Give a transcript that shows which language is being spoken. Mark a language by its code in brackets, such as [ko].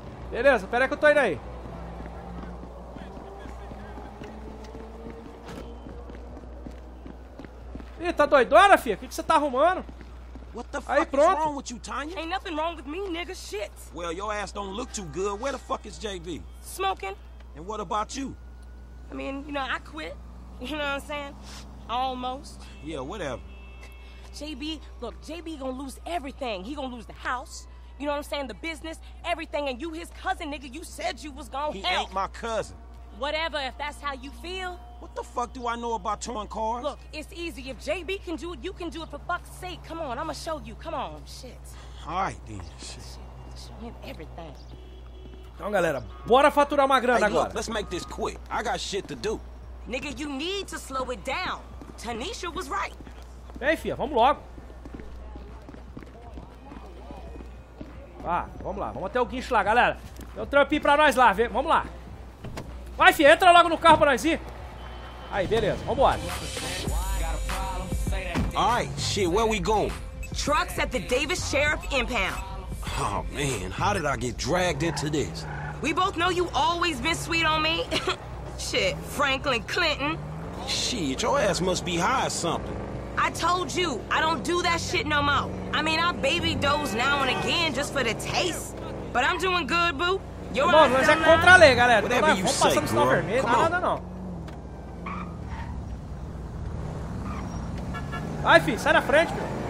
[pt] Beleza, pera aí que eu tô indo aí. Ih, tá doidona, filha? O que você tá arrumando? [en] What the fuck [pt] aí, pronto. [en] Is wrong with you, Tanya? Ain't nothing wrong with me, nigga. Shit. Well, your ass don't look too good. Where the fuck is JB? Smoking. And what about you? I mean, you know, I quit. You know what I'm saying? Almost. Yeah, whatever. JB, look, JB gonna lose everything. He gonna lose the house. You know what I'm saying? The business, everything. And you his cousin, nigga. You said you was gonna help. He ain't my cousin. Whatever, if that's how you feel. What the fuck do I know about towing cars? Look, it's easy. If JB can do it, you can do it, for fuck's sake. Come on, I'ma show you. Come on, shit. Alright, then. Shit. Show him everything. [pt] Então, galera, bora faturar uma grana, hey, agora. [en] Look, let's make this quick. I got shit to do. Nigga, you need to slow it down. Tanisha was right. [pt] Ei, filha, vamos logo. Ah, vamos lá. Vamos até o guincho lá, galera. Tem um trampinho pra nós lá, vê. Vamos lá. Vai, filha, entra logo no carro pra nós ir. Aí, beleza, vambora. [en] All right, shit, where we going? Trucks at the Davis Sheriff Impound. Oh, man, how did I get dragged into this? We both know you always been sweet on me. Shit, Franklin Clinton. Shit, your ass must be high or something. I told you, I don't do that shit no more. I mean, I baby doze now and again just for the taste. But I'm doing good, boo. [pt] Your irmão, mas é contra a lei, galera. Vamos passar no sinal vermelho. Não, não, não. Vai, filho, sai da frente, meu.